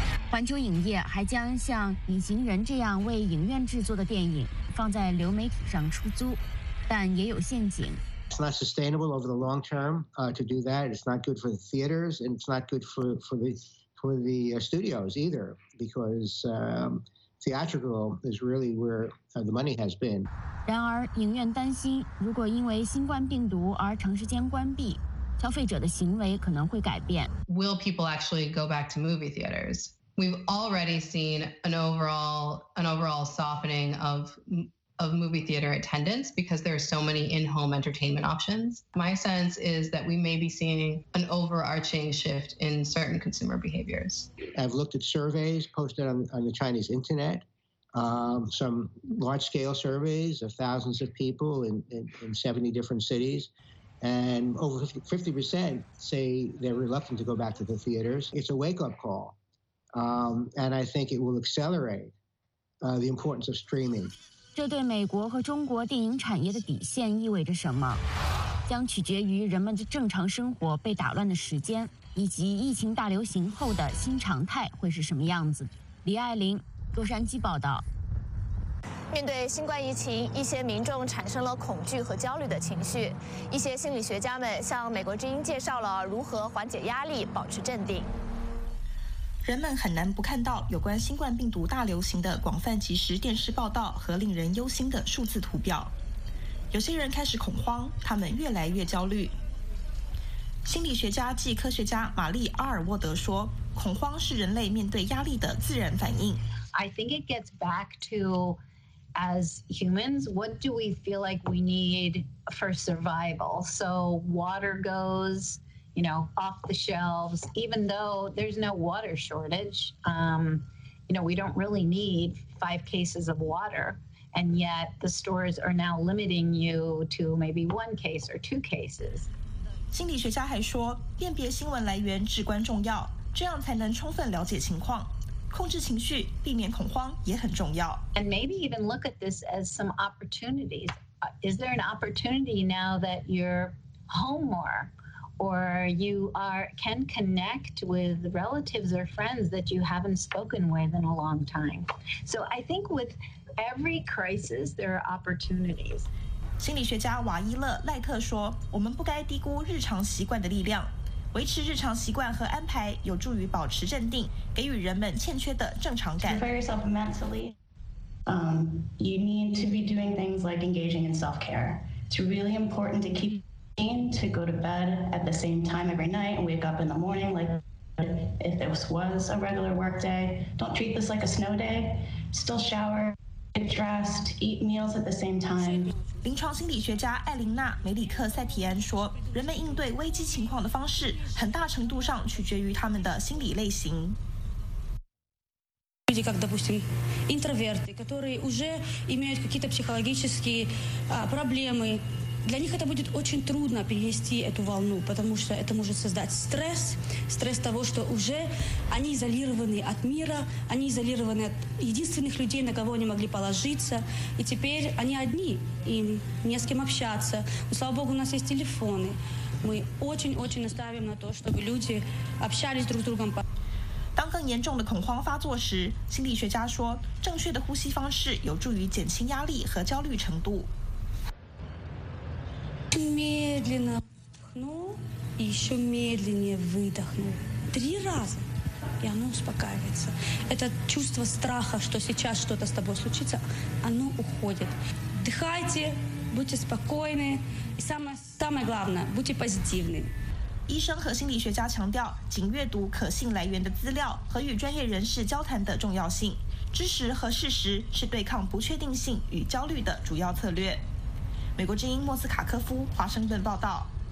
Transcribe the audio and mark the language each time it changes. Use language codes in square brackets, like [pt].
[zh] 环球影业还将像《隐形人》这样为影院制作的电影。放在流媒体上出租，但也有陷阱。 [en] It's not sustainable over the long term, to do that. It's not good for the theaters, and it's not good for the studios either, because theatrical is really where the money has been. [zh] 然而，影院担心，如果因为新冠病毒而长时间关闭，消费者的行为可能会改变。 [en] Will people actually go back to movie theaters? We've already seen an overall softening of movie theater attendance because there are so many in-home entertainment options. My sense is that we may be seeing an overarching shift in certain consumer behaviors. I've looked at surveys posted on the Chinese internet, some large-scale surveys of thousands of people in 70 different cities, and over 50% say they're reluctant to go back to the theaters. It's a wake-up call, and I think it will accelerate the importance of streaming. [zh] 这对美国和中国电影产业的底线意味着什么？将取决于人们的正常生活被打乱的时间，以及疫情大流行后的新常态会是什么样子。李爱玲，洛杉矶报道。面对新冠疫情，一些民众产生了恐惧和焦虑的情绪。一些心理学家们向美国之音介绍了如何缓解压力，保持镇定。人们很难不看到有关新冠病毒大流行的广泛即时电视报道和令人忧心的数字图表。有些人开始恐慌，他们越来越焦虑。心理学家暨科学家玛丽·阿尔沃德说，恐慌是人类面对压力的自然反应。 [en] I think it gets back to, as humans, what do we feel like we need for survival? So water goes... You know, off the shelves, even though there's no water shortage, you know, we don't really need 5 cases of water. And yet the stores are now limiting you to maybe 1 case or 2 cases. [zh] 心理学家还说，辨别新闻来源至关重要，这样才能充分了解情况。控制情绪，避免恐慌也很重要。 [en] And maybe even look at this as some opportunities. Is there an opportunity now that you're home more? Or you can connect with relatives or friends that you haven't spoken with in a long time. So I think with every crisis, there are opportunities. [zh] 心理学家瓦伊勒·赖特说，我们不该低估日常习惯的力量。维持日常习惯和安排有助于保持镇定，给予人们欠缺的正常感。 [en] Prepare yourself mentally. You need to be doing things like engaging in self-care. It's really important to keep... to go to bed at the same time every night and wake up in the morning like if this was a regular work day. Don't treat this like a snow day. Still shower, get dressed, eat meals at the same time. [zh] 临床心理学家艾琳娜·梅里克·塞提安说，人们应对危机情况的方式很大程度上取决于他们的心理类型。 [ru] Люди, как, допустим, интроверты, которые уже имеют какие-то психологические проблемы,Для них это будет очень трудно перенести эту волну, потому что это может создать стресс, стресс того, что уже они изолированы от мира, они изолированы от единственных людей, на кого они могли положиться, и теперь они одни, им не с кем общаться. Но, слава богу, у нас есть телефоны. Мы очень-очень наставим на то, чтобы люди общались друг с другом. [zh] 当更严重的恐慌发作时，心理学家说，正确的呼吸方式有助于减轻压力和焦虑程度。 [ru] Медленно вдохну и еще медленнее выдохну. 3 раза, и оно успокаивается. Это чувство страха, что сейчас что-то с тобой случится, оно уходит. Дыхайте, будьте спокойны. И самое главное, будьте позитивны. [zh] 医生和心理学家强调，仅阅读可信来源的资料和与专业人士交谈的重要性。知识和事实是对抗不确定性与焦虑的主要策略。美国之音莫斯卡科夫华盛顿报道。